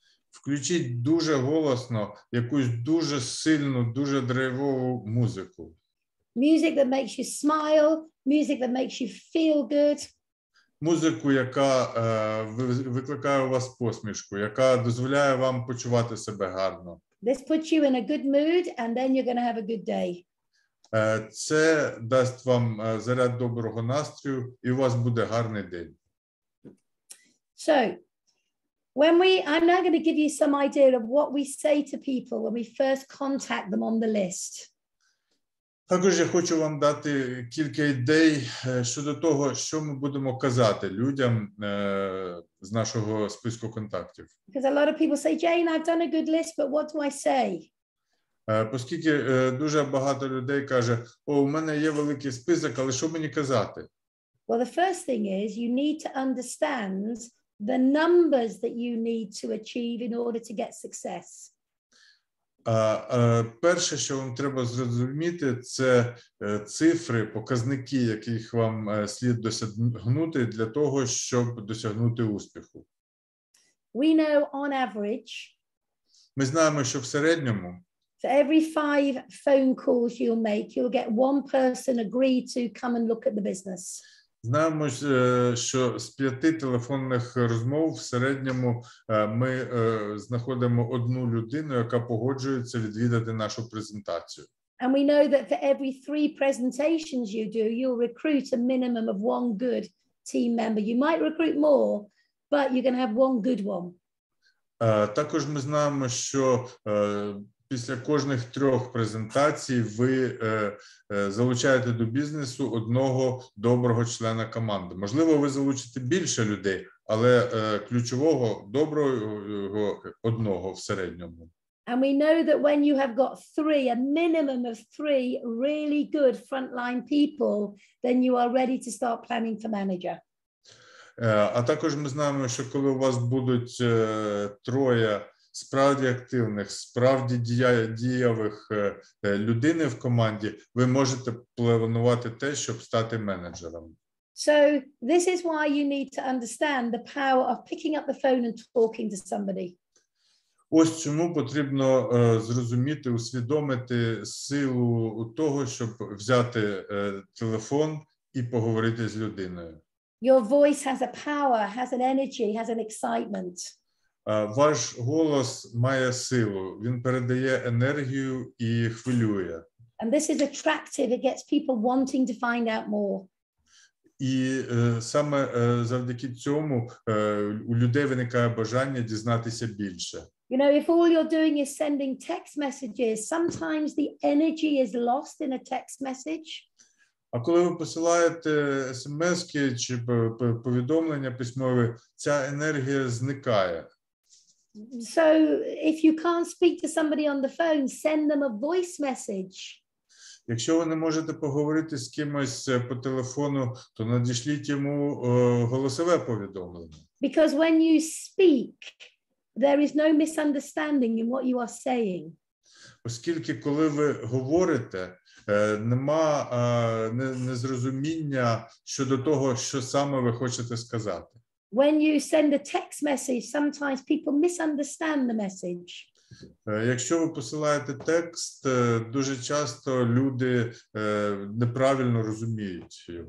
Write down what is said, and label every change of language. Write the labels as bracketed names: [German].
[Ukrainian] Включіть дуже голосно якусь дуже сильну, дуже драйвову музику. [English] Music that makes you smile, music that makes you feel good. [Ukrainian] Музику, яка викликає у вас посмішку, яка дозволяє вам почувати себе гарно. [English] This puts you in a good mood, and then you're going to have a good day. [Ukrainian] Це дасть вам заряд доброго настрою, і у вас буде гарний день. [English] So, I'm now going to give you some idea of what we say to people when we first contact them on the list. [Ukrainian] Також я хочу вам дати кілька ідей щодо того, що ми будемо казати людям з нашого списку контактів. [English] Because a lot of people say, Jane, I've done a good list, but what do I say? [Ukrainian] Оскільки дуже багато людей каже, о, у мене є великий список, але що мені казати? [English] Well, the first thing is, you need to understand the numbers that you need to achieve in order to get success. [Ukrainian] Перше, що вам треба зрозуміти, це цифри, показники, яких вам слід досягнути для того, щоб досягнути успіху. [English] We know on average. [Ukrainian] Ми знаємо, що в середньому. [English] For every 5 phone calls you'll make, you'll get 1 person agree to come and look at the business. [Ukrainian] Знаємо, що з 5 телефонних розмов в середньому ми знаходимо 1 людину, яка погоджується відвідати нашу презентацію. [English] And we know that for every 3 presentations you do, you'll recruit a minimum of 1 good team member. You might recruit more, but you're going to have 1 good one. [Ukrainian] Також ми знаємо, що після кожних 3 презентацій ви залучаєте до бізнесу одного доброго члена команди. Можливо, ви залучите більше людей, але ключового доброго одного в середньому. [English] And we know that when you have got 3, a minimum of 3 really good frontline people, then you are ready to start planning for manager. [Ukrainian] А також ми знаємо, що коли у вас будуть 3 справді активних, справді дієвих людини в команді, ви можете планувати те, щоб стати менеджером. [English] So this is why you need to understand the power of picking up the phone and talking to somebody. [Ukrainian] Ось чому потрібно зрозуміти, усвідомити силу того, щоб взяти телефон і поговорити з людиною. [English] Your voice has a power, has an energy, has an excitement. [Ukrainian] Ваш голос має силу, він передає енергію і хвилює. [English] And this is attractive, it gets people wanting to find out more. [Ukrainian] І саме завдяки цьому у людей виникає бажання дізнатися більше. [English] You know, if all you're doing is sending text messages, sometimes the energy is lost in a text message. [Ukrainian] А коли ви посилаєте смски чи повідомлення письмове, ця енергія зникає. [English] So, if you can't speak to somebody on the phone, send them a voice message. [Ukrainian] Якщо ви не можете поговорити з кимось по телефону, то надішліть йому голосове повідомлення. [English] Because when you speak, there is no misunderstanding in what you are saying. [Ukrainian] Оскільки коли ви говорите, нема незрозуміння щодо того, що саме ви хочете сказати. [English] When you send a text message, sometimes people misunderstand the message. [Ukrainian] Якщо ви посилаєте текст, дуже часто люди неправильно розуміють його.